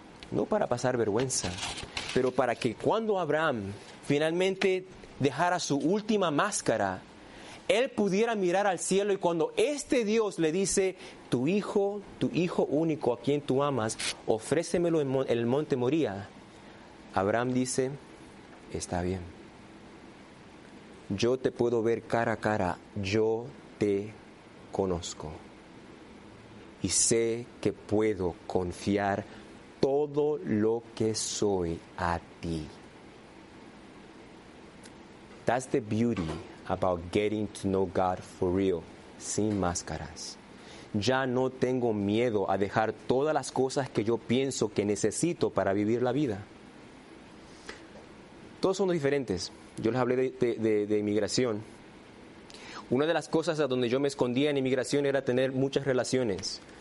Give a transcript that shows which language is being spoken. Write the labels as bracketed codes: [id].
[es] No para pasar vergüenza, pero para que cuando Abraham finalmente dejara su última máscara, él pudiera mirar al cielo y cuando este Dios le dice, tu hijo único a quien tú amas, ofrécemelo en el monte Moría, Abraham dice, está bien. Yo te puedo ver cara a cara. Yo te conozco. Y sé que puedo confiar todo lo que soy a ti. [en] That's the beauty about getting to know God for real. [es] Sin máscaras. Ya no tengo miedo a dejar todas las cosas que yo pienso que necesito para vivir la vida. Todos somos diferentes. Yo les hablé de inmigración. Una de las cosas a donde yo me escondía en inmigración era tener muchas relaciones.